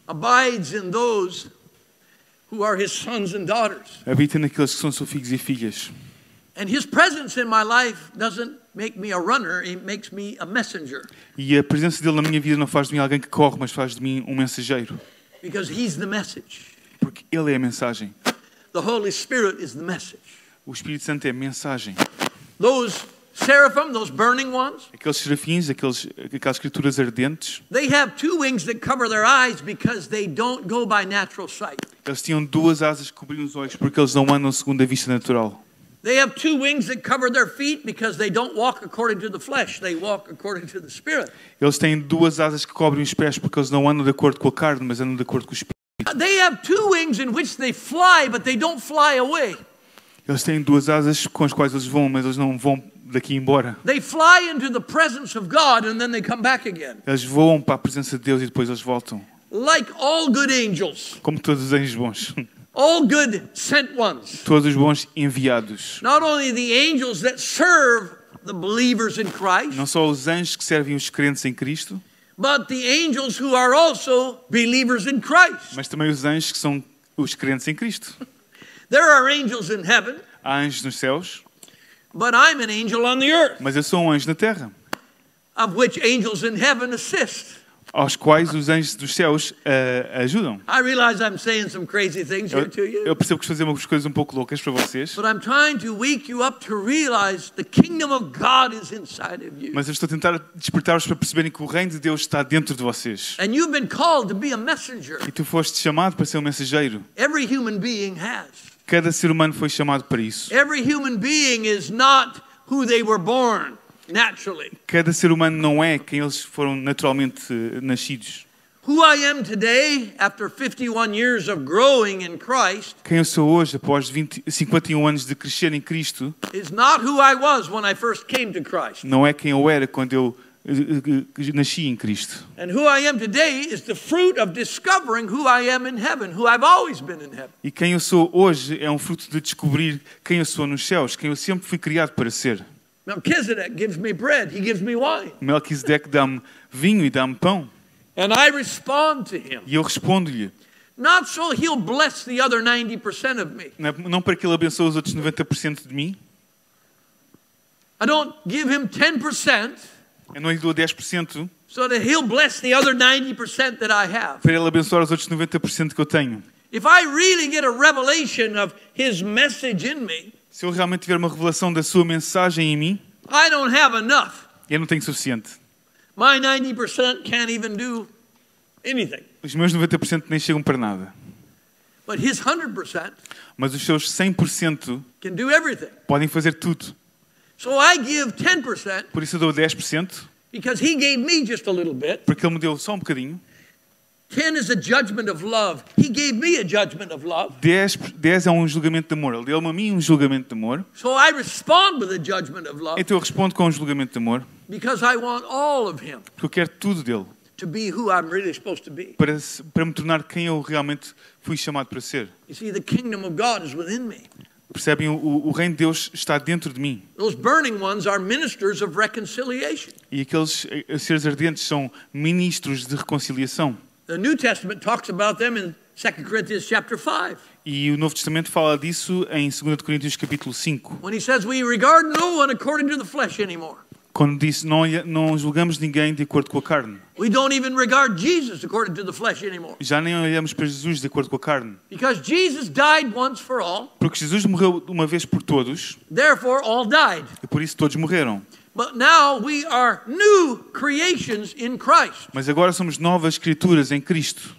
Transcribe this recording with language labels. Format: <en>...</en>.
<en>Abides in those who are his sons and daughters.</en> <pt>Habita naqueles que são seus filhos e filhas.</pt> <en>And his presence in my life doesn't make me a runner, it makes me a messenger.</en> <pt>E a presença dele na minha vida não faz de mim alguém que corre, mas faz de mim mensageiro.</pt> <en>Because he's the message.</en> <pt>Porque ele é a mensagem.</pt> <en>The Holy Spirit is the message.</en> <pt>O Espírito Santo é a mensagem.</pt> <en>Those seraphim, those burning ones.</en> <pt>Aqueles serafins, aquelas escrituras ardentes.</pt> <en>They have two wings that cover their eyes because they don't go by natural sight.</en> <pt>Eles tinham duas asas que cobriam os olhos porque eles não andam segundo a vista natural.</pt> <en>They have two wings that cover their feet because they don't walk according to the flesh, they walk according to the spirit.</en> <pt>Eles têm duas asas que cobrem os pés porque eles não andam de acordo com a carne, mas andam de acordo com o espírito.</pt> <en>They have two wings in which they fly, but they don't fly away.</en> <pt>Eles têm duas asas com as quais eles voam, mas eles não vão daqui embora.</pt> <en>They fly into the presence of God and then they come back again.</en> <pt>Eles voam para a presença de Deus e depois eles voltam.</pt> <en>Like all good angels.</en> <pt>Como todos os anjos bons.</pt> <en>All good sent ones.</en> <pt>Todos os bons enviados.</pt> <en>Not only the angels that serve the believers in Christ.</en> <pt>Não só os anjos que servem os crentes em Cristo.</pt> <en>But the angels who are also believers in Christ.</en> <pt>Mas também os anjos que são os crentes em Cristo.</pt> <en>There are angels in heaven.</en> <pt>Há anjos nos céus.</pt> <en>But I'm an angel on the earth.</en> <pt>Mas eu sou um anjo na terra.</pt> <en>Of which angels in heaven assist.</en> <pt>Aos quais os anjos dos céus ajudam.</pt> <en>I realize I'm saying some crazy things here to you.</en> <pt>Eu percebo que estou a dizer algumas coisas um pouco loucas para vocês.</pt> <en>But I'm trying to wake you up to realize the kingdom of God is inside of you.</en> <pt>Mas eu estou a tentar despertar-vos para perceberem que o reino de Deus está dentro de vocês.</pt> <en>And you've been called to be a messenger.</en> <pt>E tu foste chamado para ser um mensageiro.</pt> <en>Every human being has.</en> <pt>Cada ser humano foi chamado para isso.</pt> <en>Every human being is not who they were born. Naturally.</en> <pt>Cada ser humano não é quem eles foram naturalmente nascidos.</pt> <en>Who I am today, after 51 years of growing in Christ,</en> <pt>quem eu sou hoje, após 51 anos de crescer em Cristo,</pt> <en>is not who I was when I first came to Christ.</en> <pt>Não é quem eu era quando eu nasci em Cristo.</pt> <en>And who I am today is the fruit of discovering who I am in heaven, who I've always been in heaven.</en> <pt>E quem eu sou hoje é um fruto de descobrir quem eu sou nos céus, quem eu sempre fui criado para ser.</pt> <en>Melchizedek gives me bread, he gives me wine.</en> <pt>Melchizedek dá-me vinho e dá-me pão.</pt> <en>And I respond to him.</en> <pt>E eu respondo-lhe.</pt> <en>Not so he'll bless the other 90% of me.</en> <pt>Não para que ele abençoe os outros 90% de mim.</pt> <en>I don't give him 10%.</en> <pt>Eu não lhe dou 10%.</pt> <en>So that he'll bless the other 90% that I have.</en> <pt>Para ele abençoar os outros 90% que eu tenho.</pt> <en>If I really get a revelation of his message in me.</en> <pt>Se eu realmente tiver uma revelação da sua mensagem em mim,</pt> <en>I don't have enough.</en> <pt>Eu não tenho suficiente.</pt> <en>My 90% can't even do anything.</en> <pt>Os meus 90% nem chegam para nada.</pt> <en>But his 100%,</en> <pt>mas os seus 100%</pt> <en>can do everything.</en> <pt>Podem fazer tudo.</pt> <en>So I give 10%,</en> <pt>por isso eu dou 10%,</pt> <en>because he gave me just a little bit.</en> <pt>Porque ele me deu só um bocadinho.</pt> <en>10 is a judgment of love. He gave me a judgment of love.</en> <pt>10 é um julgamento de amor. Ele deu-me a mim um julgamento de amor.</pt> <en>So I respond with a judgment of love.</en> <pt>Então eu respondo com um julgamento de amor.</pt> <en>Because I want all of him.</en> <pt>Porque eu quero tudo dele.</pt> <en>To be who I'm really supposed to be.</en> <pt>Para me tornar quem eu realmente fui chamado para ser.</pt> <en>You see, the kingdom of God is within me.</en> <pt>Percebem, o reino de Deus está dentro de mim.</pt> <en>Those burning ones are ministers of reconciliation.</en> <pt>E aqueles seres ardentes são ministros de reconciliação.</pt> <en>The New Testament talks about them in 2 Corinthians chapter 5.</en> <pt>E o Novo Testamento fala disso em 2 Coríntios capítulo 5.</pt> <en>When he says we regard no one according to the flesh anymore.</en> <pt>Quando diz não julgamos ninguém de acordo com a carne.</pt> <en>We don't even regard Jesus according to the flesh anymore.</en> <pt>Já nem olhamos para Jesus de acordo com a carne.</pt> <en>Because Jesus died once for all.</en> <pt>Porque Jesus morreu uma vez por todos.</pt> <en>Therefore all died.</en> <pt>E por isso todos morreram.</pt> <en>But now we are new creations in Christ.</en> <pt>Mas agora somos novas criaturas em Cristo.</pt>